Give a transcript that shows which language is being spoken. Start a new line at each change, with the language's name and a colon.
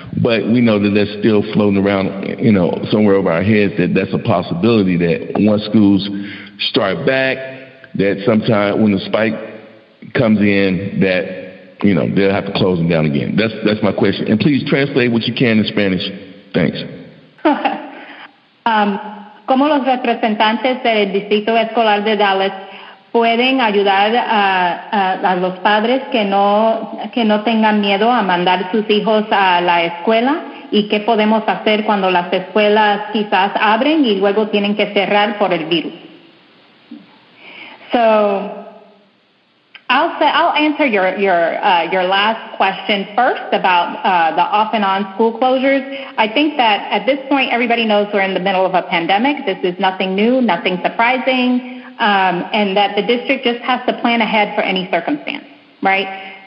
English: But we know that that's still floating around, somewhere over our heads, that that's a possibility that once schools start back, that sometime when the spike comes in, that, they'll have to close them down again. That's my question. And please translate what you can in Spanish. Thanks.
Spanish: ¿Cómo los representantes del Distrito Escolar de Dallas pueden ayudar a los padres que no tengan miedo a mandar sus hijos a la escuela? ¿Y qué podemos hacer cuando las escuelas quizás abren y luego tienen que cerrar por el virus?
English: So, I'll answer your last question first about the off and on school closures. I think that at this point, everybody knows we're in the middle of a pandemic. This is nothing new, nothing surprising, and that the district just has to plan ahead for any circumstance, right?